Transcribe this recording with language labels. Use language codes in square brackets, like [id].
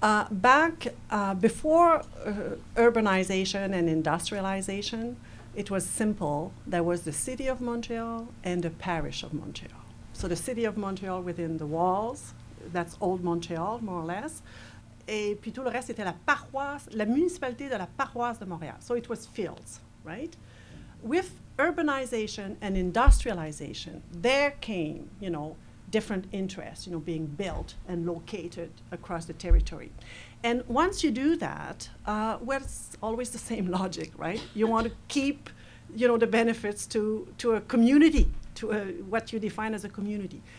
[en] Back before urbanization and industrialization, it was simple. There was the city of Montreal and the parish of Montreal. So the city of Montreal within the walls, that's old Montreal, more or less. [fr] Et puis tout le reste, c'était la paroisse, la municipalité de la paroisse de Montréal. [en] So it was fields, right? With urbanization and industrialization, there came, you know, different interests, you know, being built and located across the territory. And once you do that, well, it's always the same logic, right? You want to keep, you know, the benefits to a community, to a, what you define as a community.